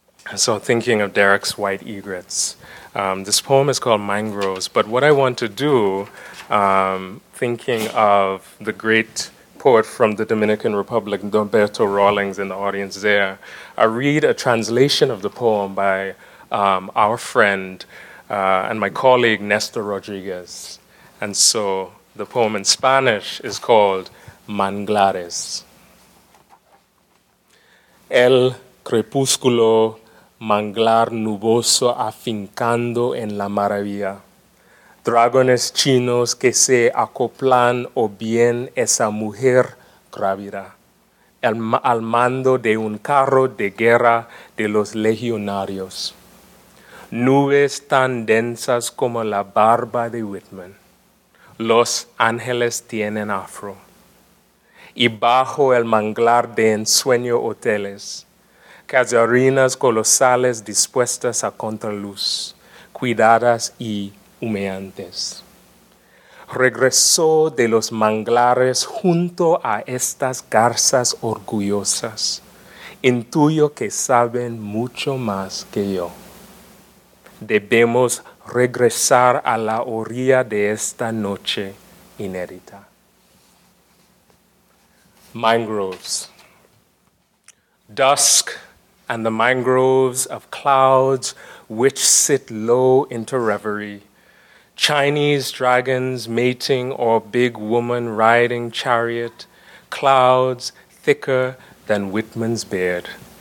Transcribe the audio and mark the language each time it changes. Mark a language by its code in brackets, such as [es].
[en] And so thinking of Derek's White Egrets, this poem is called Mangroves, but what I want to do, thinking of the great poet from the Dominican Republic, Norberto Rawlings, in the audience there, I read a translation of the poem by our friend and my colleague, Nestor Rodriguez. And so the poem in Spanish is called Manglares. [es] El crepúsculo manglar nuboso afincando en la maravilla. Dragones chinos que se acoplan o bien esa mujer grávida. Al mando de un carro de guerra de los legionarios. Nubes tan densas como la barba de Whitman. Los ángeles tienen afro. Y bajo el manglar de ensueño hoteles. Casuarinas colosales dispuestas a contraluz. Cuidadas y humeantes. Regresó de los manglares junto a estas garzas orgullosas. Intuyo que saben mucho más que yo. Debemos regresar a la orilla de esta noche inédita. [en] Mangroves. Dusk and the mangroves of clouds which sit low into reverie. Chinese dragons mating or big woman riding chariot. Clouds thicker than Whitman's beard.